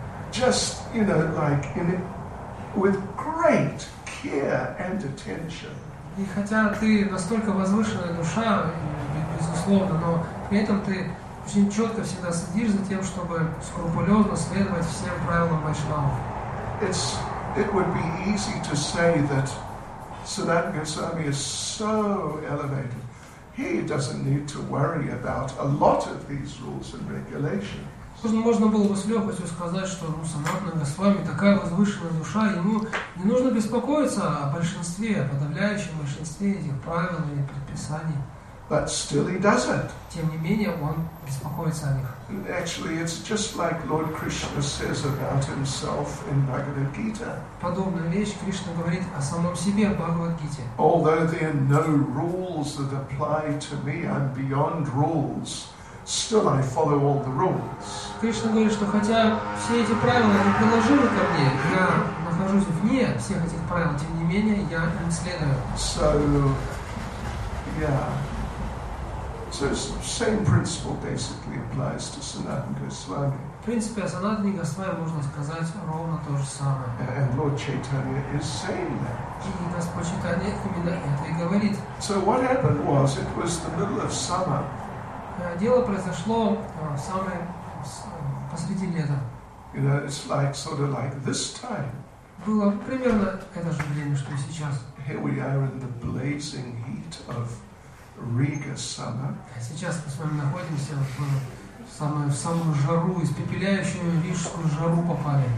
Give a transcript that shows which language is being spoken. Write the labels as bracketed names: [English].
[English] Just, you know, like in it, with great care and attention. [Russian] И хотя ты настолько возвышенная душа, безусловно, но при этом ты очень четко всегда следишь за тем, чтобы скрупулезно следовать всем правилам Вайшнава. [English] It would be easy to say that Sanatana Goswami is so elevated. He doesn't need to worry about a lot of these rules and regulations. [Russian] Можно было бы с легкостью сказать, что Санатана Госвами такая возвышенная душа, ему не нужно беспокоиться о большинстве, о подавляющем большинстве этих правил или предписаний. [English] But still he does it. [Russian] Тем не менее, он беспокоится о них. [English] Actually, it's just like Lord Krishna says about himself in Bhagavad Gita. [Russian] Подобная вещь Кришна говорит о самом себе в Бхагавад-гите. [English] Although there are no rules that apply to me, I'm beyond rules. Still, I follow all the rules. [Russian] Кришна говорит, что хотя все эти правила не приложили ко мне, я нахожусь вне всех этих правил, тем не менее, я им следую. [English] So, yeah. So the same principle basically applies to Sanatana Goswami. [Russian] В принципе, о Санатане Госвами можно сказать ровно то же самое. [English] And Lord Chaitanya is saying that. [Russian] И Господь Чайтанья именно это и говорит. [English] So what happened was, it was the middle of summer. [Russian] Дело произошло самое посреди лета. [English] You know, it's like sort of like this time. [Russian] Было примерно это же время, что и сейчас. [English] Here we are in the blazing heat of Riga summer. [Russian] Сейчас мы с вами находимся в самую жару, испепеляющую рижскую жару попали.